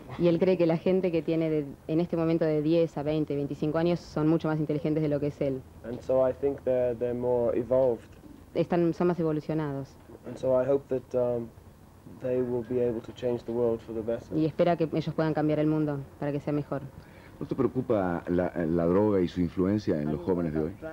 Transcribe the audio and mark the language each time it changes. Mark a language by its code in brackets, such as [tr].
[es] Y él cree que la gente que tiene de, en este momento de 10 a 20, 25 años son mucho más inteligentes de lo que es él. [en] And so I think they're more evolved. [es] Están, son más evolucionados. [en] And so I hope that they will be able to change the world for the better. [es] Y espera que ellos puedan cambiar el mundo para que sea mejor. ¿No te preocupa la droga y su influencia en los jóvenes de hoy?